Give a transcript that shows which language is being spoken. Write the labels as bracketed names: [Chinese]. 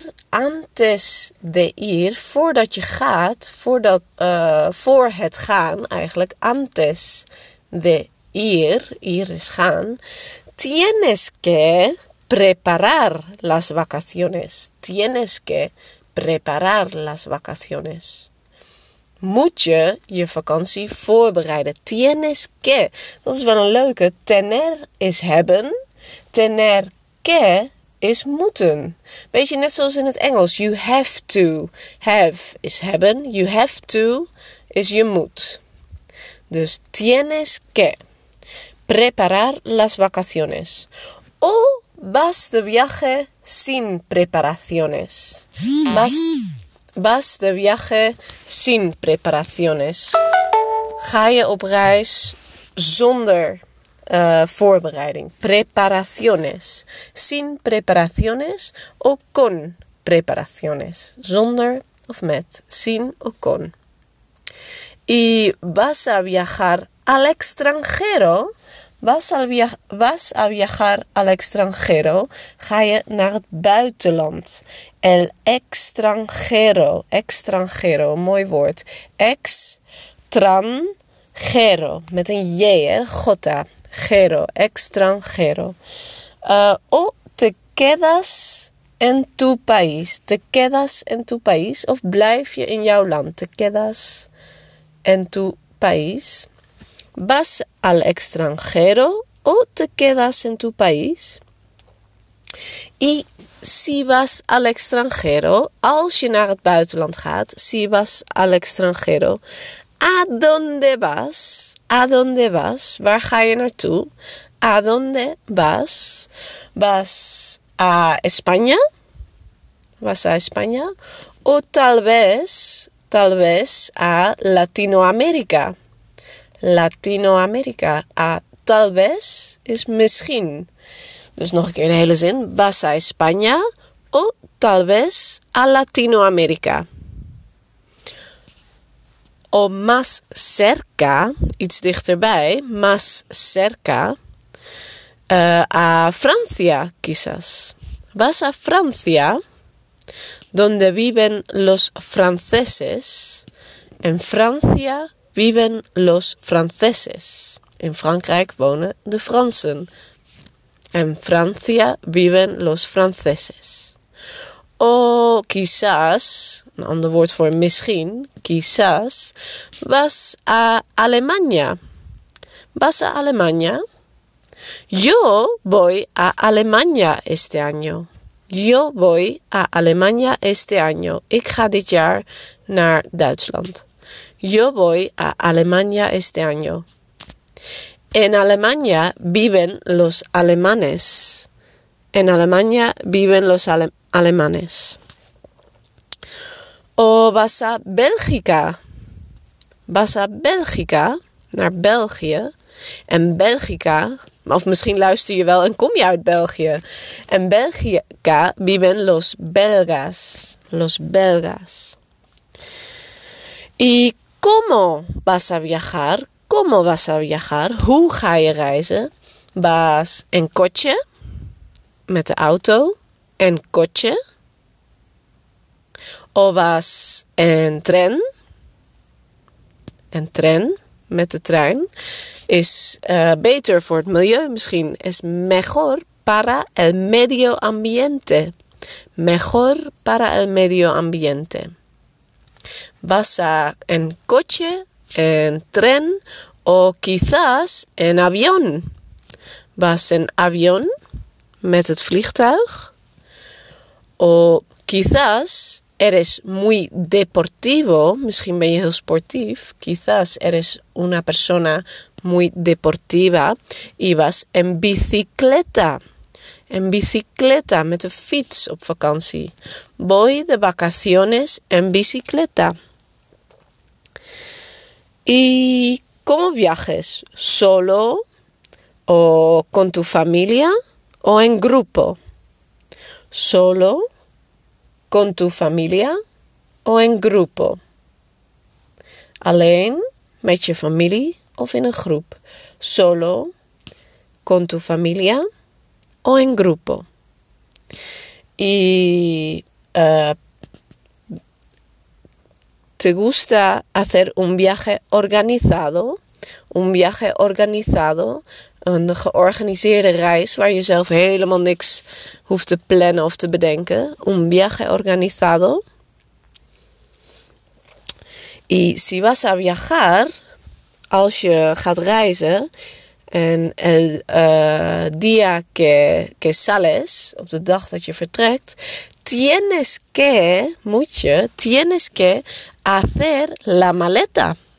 [Spanish] Antes de ir, [Dutch] voordat je gaat, voor het gaan eigenlijk, [Spanish] antes de ir, ir [Dutch] is gaan, [Spanish] tienes que preparar las vacaciones. Tienes que preparar las vacaciones. [Dutch] Moet je je vakantie voorbereiden. [Spanish] Tienes que. [Dutch] Dat is wel een leuke. Tener is hebben. Tener que is moeten. Beetje net zoals in het Engels. [English] You have to. Have [Dutch] is hebben. [English] You have to [Dutch] is je moet. [Spanish] Dus tienes que. Preparar las vacaciones. O vas de viaje sin preparaciones. Vas de viaje sin preparaciones. [Dutch] Ga je op reis zonder voorbereiding. [Spanish] Preparaciones. Sin preparaciones o con preparaciones. [Dutch] Zonder of met. [Spanish] Sin o con. Y vas a viajar al extranjero. Vas a viajar al extranjero. [Dutch] Ga je naar het buitenland. [Spanish] El extranjero. Extranjero, [Dutch] mooi woord. Extranjero. Met een J, hè? Jota. [Spanish] Gero, extranjero. O te quedas en tu país. Te quedas en tu país. [Dutch] Of blijf je in jouw land. [Spanish] Te quedas en tu país. Vas al extranjero o te quedas en tu país? Y si vas al extranjero, [Dutch] als je naar het buitenland gaat, [Spanish] si vas al extranjero, ¿a dónde vas? ¿A dónde vas? [Dutch] Waar ga je naartoe? [Spanish] ¿A dónde vas? ¿Vas a España? ¿Vas a España? O tal vez a Latinoamérica. [Dutch] Latinoamérica. Tal vez is misschien. Dus nog een keer de hele zin. [Spanish] Vas a España o tal vez a Latinoamérica. O más cerca, [Dutch] iets dichterbij. [Spanish] Más cerca. A Francia, quizás. Vas a Francia, donde viven los franceses. En Francia viven los franceses. [Dutch] In Frankrijk wonen de Fransen. [Spanish] En Francia viven los franceses. O quizás, [Dutch] een ander woord voor misschien, [Spanish] quizás, vas a Alemania. Vas a Alemania. Yo voy a Alemania este año. Yo voy a Alemania este año. [Dutch] Ik ga dit jaar naar Duitsland. [Spanish] Yo voy a Alemania este año. En Alemania viven los alemanes. En Alemania viven los alemanes. O vas a Bélgica. Vas a Bélgica, [Dutch] naar België. [Spanish] En Bélgica, [Dutch] of misschien luister je wel en kom je uit België. [Spanish] En Bélgica viven los belgas. Los belgas. ¿Y cómo vas a viajar? ¿Cómo vas a viajar? [Dutch] Hoe ga je reizen? [Spanish] Vas en coche, [Dutch] met de auto, [Spanish] en coche. O vas en tren. En tren, [Dutch] met de trein, is beter voor het milieu misschien. [Spanish] Es mejor para el medio ambiente. Mejor para el medio ambiente. Vas a en coche, en tren, o quizás en avión. Vas en avión, [Dutch] met het vliegtuig. [Spanish] O quizás eres muy deportivo. [Dutch] Misschien ben je heel sportief. [Spanish] Quizás eres una persona muy deportiva. Y vas en bicicleta. En bicicleta, [Dutch] met de fiets op vakantie. [Spanish] Voy de vacaciones en bicicleta. ¿Y cómo viajes? ¿Solo? ¿O con tu familia? ¿O en grupo? ¿Solo? ¿Con tu familia o en grupo? [Dutch] ¿Alleen, met je familie of in een groep? [Spanish] ¿Solo, con tu familia o en grupo? ¿Y te gusta hacer un viaje organizado? Un viaje organizado, [Dutch] een georganiseerde reis waar je zelf helemaal niks hoeft te plannen of te bedenken. [Spanish] Un viaje organizado. Y si vas a viajar, [Dutch] als je gaat reizen, [Spanish] en el día que sales, [Dutch] op de dag dat je vertrekt, [Spanish] tienes que, [Dutch] moet je, [Spanish] tienes que hacer la maleta.